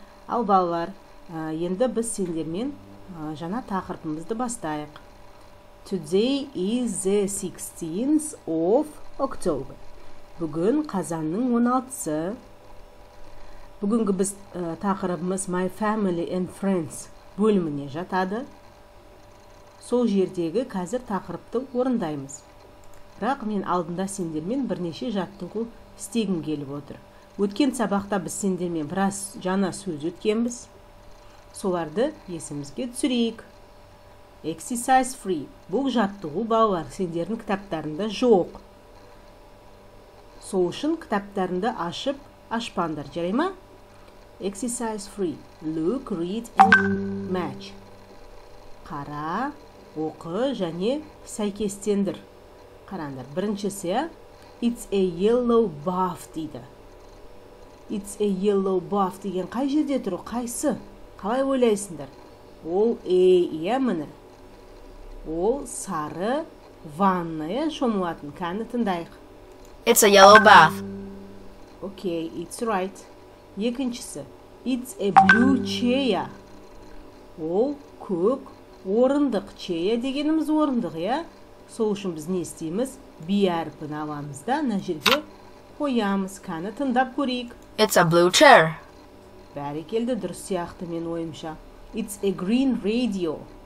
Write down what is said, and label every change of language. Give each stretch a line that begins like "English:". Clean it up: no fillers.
Kazakh: Ал, балалар, енді біз сендермен жаңа тақырыпымызды бастайық.
English: Today is the 16th of October.
Kazakh: Бүгін қазанның 16-сы. Бүгінгі біз тақырыпымыз My Family and Friends бөліміне жатады. Сол жердегі қазір тақырыпты орындаймыз. Бірақ мен алдында сендермен бірнеше жаттығу істегім келіп отыр. Өткен сабақта біз сендермен біраз жаңа сөз өткенбіз. Соларды есімізге түсірейік.
English: Exercise free.
Kazakh: Бұл жаттығу балалар сендердің кітаптарында жоқ. Сол үшін кітаптарында ашып, ашпандар. Жарай ма?
English: Exercise free. Look, read and match.
Kazakh: Қара, оқы және сәйкестендір. Қараңдар, біріншісі,
English: it's a yellow buff
Kazakh: дейді.
English: It's a yellow buff
Kazakh: деген қай жерде тұру, қайсы? Қалай ойлайсындар? Ол A, е мұны? Ол сары ванная шомылатын. Кәні тыңдайық.
English: It's a yellow buff. Okay, it's right.
Kazakh: Екіншісі,
English: it's a blue chair.
Kazakh: Ол көк орындық. Chair дегеніміз орындық, е? Сол үшін біз не істейміз? Бәрпін аламызда, на жерге қоямыз. Қаны тыңдап көрейік.
English: It's a blue chair.
Kazakh: Бәрі келді, дұрыс сияқты мен ойымша.
English: It's a green radio.